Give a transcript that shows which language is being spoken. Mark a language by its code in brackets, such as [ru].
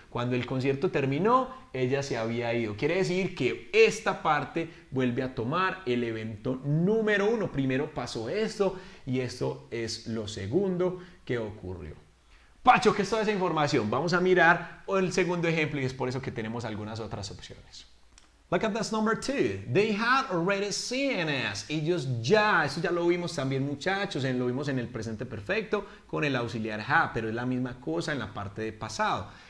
[es] Cuando el concierto terminó, ella se había ido. Quiere decir que esta parte vuelve a tomar el evento número uno. Primero pasó esto y esto es lo segundo que ocurrió. Pacho, ¿qué es toda esa información? Vamos a mirar el segundo ejemplo y es por eso que tenemos algunas otras opciones. [en] Look at this number two. They had already seen us. [es] Ellos ya, eso ya lo vimos también, muchachos, lo vimos en el presente perfecto con el auxiliar had, pero es la misma cosa en la parte de pasado.